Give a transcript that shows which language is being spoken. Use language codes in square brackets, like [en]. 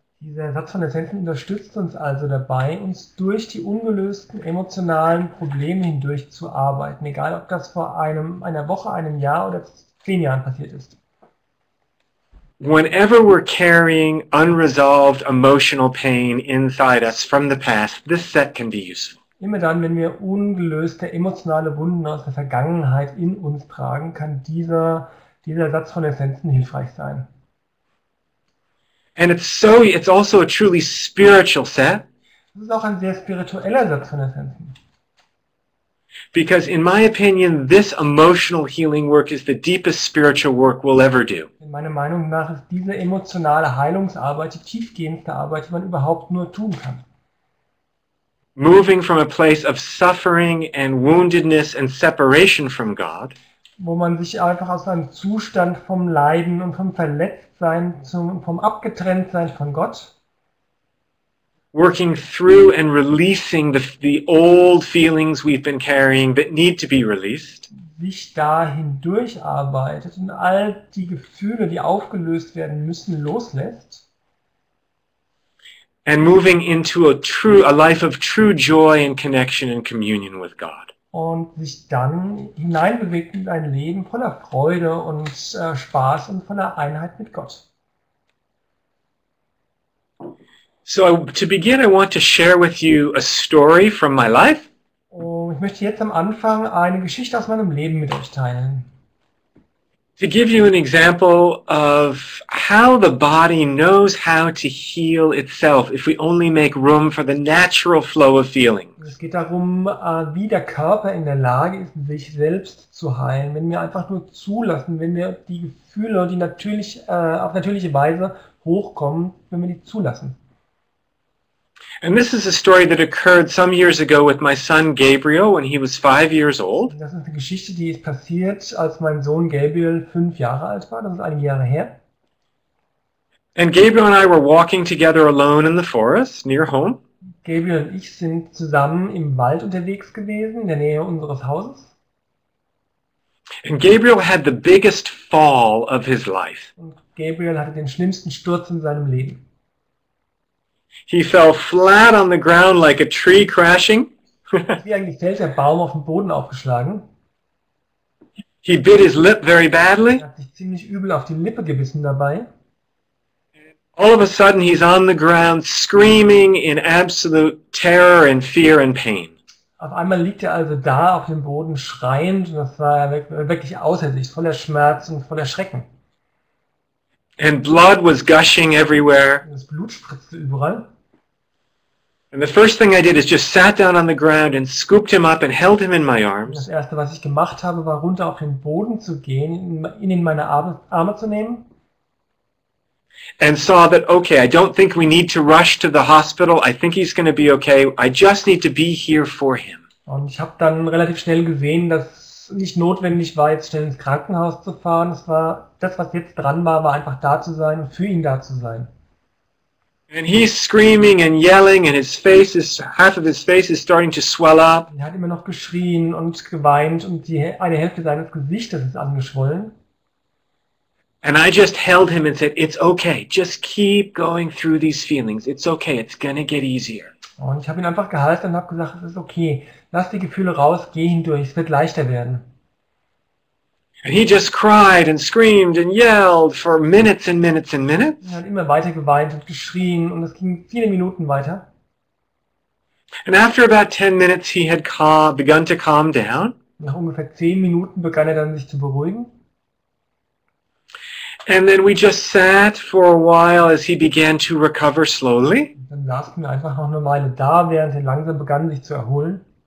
[de] Dieser Satz von Essenzen unterstützt uns also dabei, uns durch die ungelösten emotionalen Probleme hindurch zu arbeiten, egal ob das vor einer Woche, einem Jahr oder 10 Jahren passiert ist. [en] Whenever we're carrying unresolved emotional pain inside us from the past, this set can be useful. [de] Immer dann, wenn wir ungelöste emotionale Wunden aus der Vergangenheit in uns tragen, kann dieser Satz von Essenzen hilfreich sein. [en] And it's also a truly spiritual set. [de] Das ist auch ein sehr spiritueller Satz von Essenzen. [en] Because in my opinion, this emotional healing work is the deepest spiritual work we'll ever do. [de] In meiner Meinung nach ist diese emotionale Heilungsarbeit die tiefgehendste Arbeit, die man überhaupt nur tun kann. [en] Moving from a place of suffering and woundedness and separation from God. [de] Wo man sich einfach aus einem Zustand vom Leiden und vom Verletztsein vom Abgetrenntsein von Gott. [en] Working through and releasing the old feelings we've been carrying that need to be released. [de] Sich dahin durcharbeitet und all die Gefühle, die aufgelöst werden müssen, loslässt. [en] And moving into a life of true joy and connection and communion with God. [de] Und sich dann hineinbewegt in ein Leben voller Freude und Spaß und voller Einheit mit Gott. [en] So to begin, I want to share with you a story from my life. [de] Und ich möchte jetzt am Anfang eine Geschichte aus meinem Leben mit euch teilen. [en] To give you an example of how the body knows how to heal itself if we only make room for the natural flow of feelings. [de] Es geht darum, wie der Körper in der Lage ist, sich selbst zu heilen, wenn wir einfach nur zulassen, wenn wir die Gefühle, die natürlich auf natürliche Weise hochkommen, wenn wir die zulassen. [en] And this is a story that occurred some years ago with my son Gabriel when he was 5 years old. [de] Das ist eine Geschichte, die ist passiert, als mein Sohn Gabriel 5 Jahre alt war. Das ist einige Jahre her. [en] And Gabriel and I were walking together alone in the forest near home. [de] Gabriel und ich sind zusammen im Wald unterwegs gewesen, in der Nähe unseres Hauses. [en] And Gabriel had the biggest fall of his life. [de] Und Gabriel hatte den schlimmsten Sturz in seinem Leben. [en] He fell flat on the ground like a tree crashing. [de] Wie ein gefällter Baum auf den Boden aufgeschlagen. [en] He bit his lip very badly. [de] Er hat sich ziemlich übel auf die Lippe gebissen dabei. [en] All of a sudden he's on the ground screaming in absolute terror and fear and pain. [de] Auf einmal liegt er also da auf dem Boden schreiend und das war wirklich außer sich, voller Schmerz und voller Schrecken. [en] And blood was gushing everywhere. [de] Das Blut spritzte überall. [en] And the first thing I did is just sat down on the ground and scooped him up and held him in my arms. [de] Das erste, was ich gemacht habe, war runter auf den Boden zu gehen, ihn in meine Arme zu nehmen. [en] And saw that, okay, I don't think we need to rush to the hospital. I think he's going to be okay. I just need to be here for him. [de] Und ich habe dann relativ schnell gesehen, dass nicht notwendig war, jetzt schnell ins Krankenhaus zu fahren. Es war das, was jetzt dran war, war einfach da zu sein, für ihn da zu sein. [en] And he's screaming and yelling, and his face is, half of his face is starting to swell up. [de] Er hat immer noch geschrien und geweint, und die eine Hälfte seines Gesichtes ist angeschwollen. [en] And I just held him and said, "It's okay. Just keep going through these feelings. It's okay. It's gonna get easier." [de] Und ich habe ihn einfach gehalten und habe gesagt, es ist okay. Lass die Gefühle raus, geh hindurch. Es wird leichter werden. [en] And he just cried and screamed and yelled for minutes and minutes and minutes. [de] Er hat immer weiter geweint und geschrien, und es ging viele Minuten weiter. [en] And after about 10 minutes he had begun to calm down. [de] Nach ungefähr 10 Minuten begann er dann, sich zu beruhigen. [en] And then we just sat for a while as he began to recover slowly. [de] Dann saßen wir einfach noch eine Weile da, während er langsam begann, sich zu erholen.